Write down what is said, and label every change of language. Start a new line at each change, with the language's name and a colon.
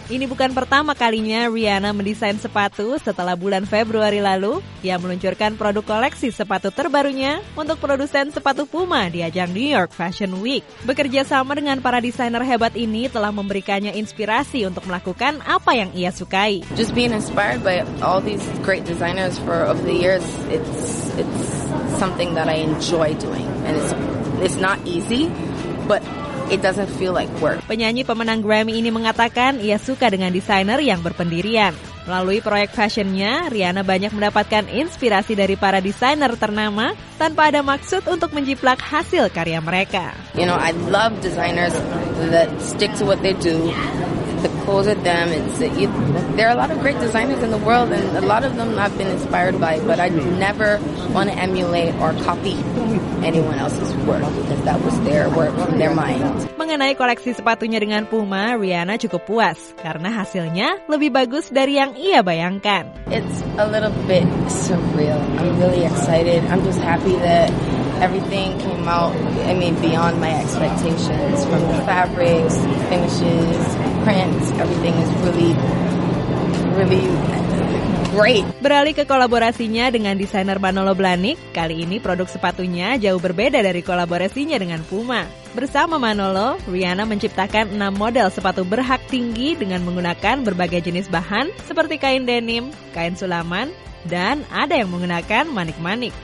Indonesian: Ini bukan pertama kalinya Rihanna mendesain sepatu setelah bulan Februari lalu. Ia meluncurkan produk koleksi sepatu terbarunya untuk produsen sepatu Puma di ajang New York Fashion Week. Bekerja sama dengan para desainer hebat ini telah memberikannya inspirasi untuk melakukan apa yang ia sukai.
English: Just being inspired by all these great designers for over the years, it's something that I enjoy doing, and it's not easy, but it doesn't feel like work.
Indonesian: Penyanyi pemenang Grammy ini mengatakan ia suka dengan desainer yang berpendirian. Melalui proyek fashionnya, Rihanna banyak mendapatkan inspirasi dari para desainer ternama tanpa ada maksud untuk menjiplak hasil karya mereka.
English: You know, I love designers that stick to what they do. The clothes of them, there are a lot of great designers in the world, and a lot of them I've been inspired by, but I never want to emulate or copy anyone else's work, because that was their work from their mind.
Indonesian: Mengenai koleksi sepatunya dengan Puma, Rihanna cukup puas karena hasilnya lebih bagus dari yang ia bayangkan.
English: It's a little bit surreal. I'm really excited. I'm just happy that everything came out, I mean, beyond my expectations, from the fabrics, finishes, prints, everything is really, really great.
Indonesian: Beralih ke kolaborasinya dengan desainer Manolo Blahnik, kali ini produk sepatunya jauh berbeda dari kolaborasinya dengan Puma. Bersama Manolo, Rihanna menciptakan 6 model sepatu berhak tinggi dengan menggunakan berbagai jenis bahan seperti kain denim, kain sulaman, dan ada yang menggunakan manik-manik.